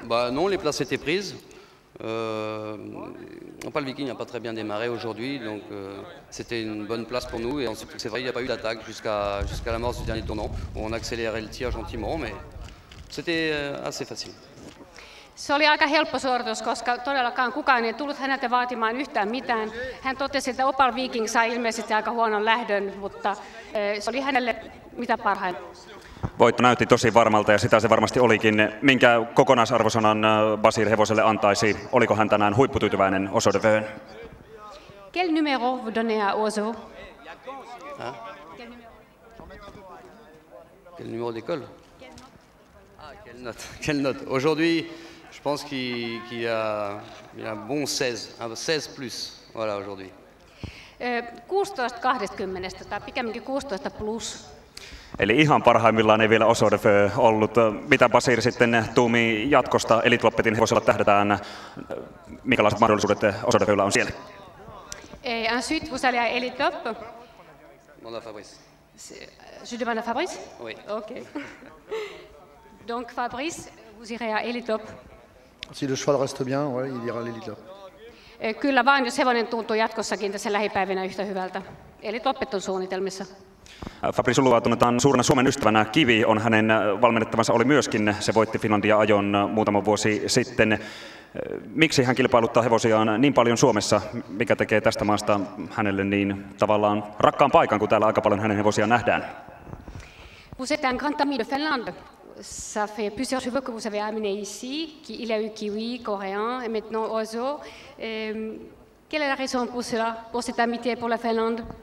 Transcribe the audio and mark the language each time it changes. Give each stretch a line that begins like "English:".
French: Non, les places étaient prises. Le Viking n'a pas très bien démarré aujourd'hui, donc c'était une bonne place pour nous. Et ensuite, c'est vrai, il n'y a pas eu d'attaque jusqu'à la mort du dernier tournant, où on accélérait le tir gentiment, mais c'était assez facile.
Finnish: Se oli aika helppo suoritus, koska todellakaan kukaan ei tullut häneltä vaatimaan yhtään mitään. Hän totesi, että Opal Viking sai ilmeisesti aika huonon lähdön, mutta se oli hänelle mitä parhain. Voitto näytti tosi varmalta ja sitä se varmasti olikin. Minkä kokonaisarvosanan Basir hevoselle antaisi? Oliko hän tänään huipputyytyväinen Oso de Vöön?
French: Quel numéro vous donnez à Oso? Quel numéro d'école? Quelle note? Aujourd'hui, je pense qu'il a un bon 16, un 16 plus, voilà, aujourd'hui.
Finnish: 16-20, tai pikemminkin 16 plus. Eli ihan parhaimmillaan ei vielä Oso de Vöö ollut. Mitä Basir sitten tuumii jatkosta? Elitloppetin hevosella tähdätään. Minkälaiset mahdollisuudet Oso de Vööllä on siellä?
French: Ensuite, vous allez à Elitlopp. Mon nom Fabrice. Je demande à Fabrice? Oui. Ok. Donc Fabrice, vous irez à Elitlopp. Si le cheval reste bien, ouais, il ira à Elitlopp.
Finnish: Kyllä vaan, jos hevonen tuntuu jatkossakin tässä lähipäivinä yhtä hyvältä. Elitloppet on suunnitelmissa. Fabrice Ulua tunnetaan suurena Suomen ystävänä. Kivi on hänen valmennettavansa, oli myöskin. Se voitti Finlandia-ajon muutama vuosi sitten. Miksi hän kilpailuttaa hevosiaan niin paljon Suomessa? Mikä tekee tästä maasta hänelle niin tavallaan rakkaan paikan, kun täällä aika paljon hänen hevosiaan nähdään?
French: Vous êtes un grand ami de Finlande. Ça fait plusieurs chevaux que vous avez amené ici. Il y a eu Kiwi, Coréen et maintenant Oso. Quelle est la raison pour cela, pour cette amitié pour la Finlande?